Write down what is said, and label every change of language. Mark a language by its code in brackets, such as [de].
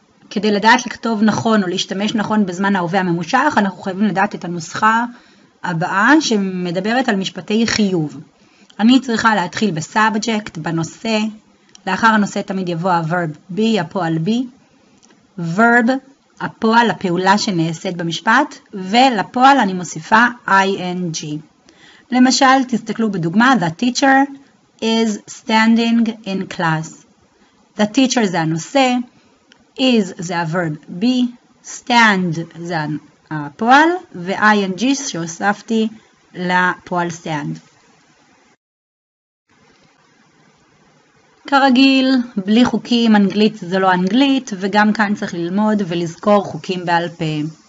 [he] כדי לדעת לכתוב נכון או להשתמש נכון בזמן ההווה הממושך, אנחנו חייבים לדעת את הנוסחה הבאה שמדברת על משפטי חיוב. אני צריכה להתחיל בסאבג'קט, בנושא, לאחר הנושא תמיד יבוא הוורב בי, הפועל בי, וורב, הפועל, הפעולה שנעשית במשפט, ולפועל אני מוסיפה ing. למשל, תסתכלו בדוגמה, [en] the teacher is standing in class. The teacher [he] זה הנושא, is זה הוורב בי, stand זה הפועל, ו-ing שהוספתי לפועל stand. כרגיל, בלי חוקים, אנגלית זה לא אנגלית, וגם כאן צריך ללמוד ולזכור חוקים בעל פה.